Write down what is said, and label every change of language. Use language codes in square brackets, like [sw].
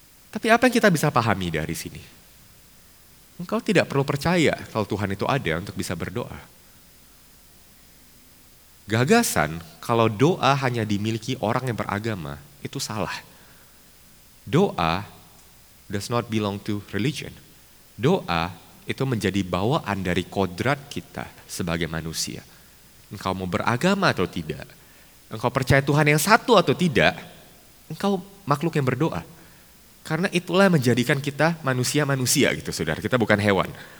[id] Tapi apa yang kita bisa pahami dari sini? Engkau tidak perlu percaya kalau Tuhan itu ada untuk bisa berdoa. Gagasan kalau doa hanya dimiliki orang yang beragama itu salah. [en] Doa does not belong to religion. [id] Doa itu menjadi bawaan dari kodrat kita sebagai manusia. Engkau mau beragama atau tidak, engkau percaya Tuhan yang satu atau tidak, engkau makhluk yang berdoa. Karena itulah menjadikan kita manusia-manusia gitu, saudara. Kita bukan hewan.